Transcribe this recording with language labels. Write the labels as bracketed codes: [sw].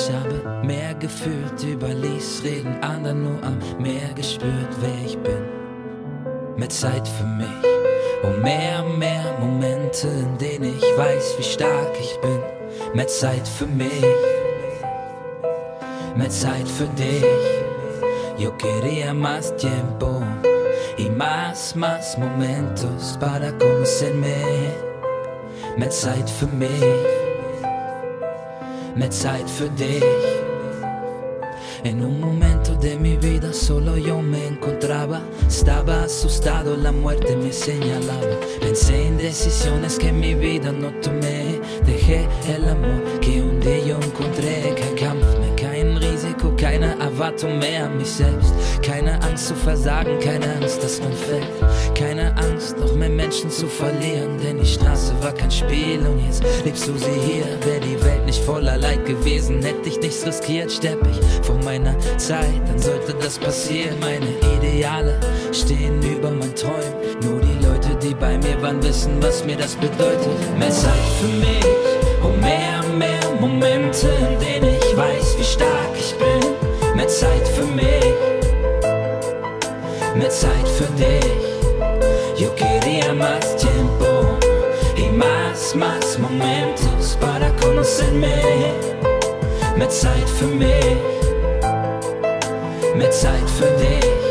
[de] Ich habe mehr gefühlt, überließ, reden anderen nur am Meer gespürt, wer ich bin. Mehr Zeit für mich und mehr und mehr Momente, in denen ich weiß, wie stark ich bin. Mehr Zeit für mich, mehr Zeit für dich. [es] Yo quería más tiempo y más, más momentos para conocerme. [de] Mehr Zeit für mich, mehr Zeit für dich. [es] En un momento de mi vida solo yo me encontraba. Estaba asustado, la muerte me señalaba. Pensé en decisiones que en mi vida no tomé. Dejé el amor que un día yo encontré. [de] Kein Kampf mehr, kein Risiko, keine Erwartung mehr an mich selbst. Keine Angst zu versagen, keine Angst, dass man fällt. Keine Angst, noch mehr Menschen zu verlieren. Denn die Straße war kein Spiel und jetzt liebst du sie hier. Wär die Welt nicht voller Leid gewesen, hätte ich nichts riskiert. Sterb ich vor meiner Zeit, dann sollte das passieren. Meine Ideale stehen über mein Träumen. Nur die Leute, die bei mir waren, wissen, was mir das bedeutet. Mehr Zeit für mich und mehr und mehr Momente, in denen ich weiß, wie stark ich bin. Mehr Zeit für mich, mehr Zeit für dich. [es] Yo quería más tiempo y más, más momentos para conocerme. [de] Mehr Zeit für mich, mehr Zeit für dich.